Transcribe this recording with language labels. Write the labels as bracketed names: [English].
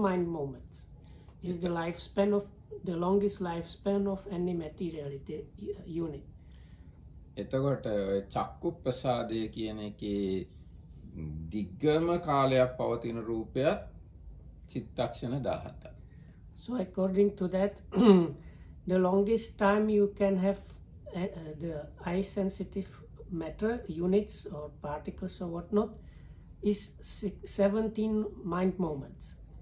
[English] mind moments is the lifespan of the longest lifespan of any materiality unit. [Sinhala] එතකොට චක්කු ප්‍රසාදය කියන එකේ දිගම කාලයක් පවතින රූපය චිත්තක්ෂණ 17. [English] So according to that, the longest time you can have the eye sensitive matter units or particles or whatnot is 17 mind moments.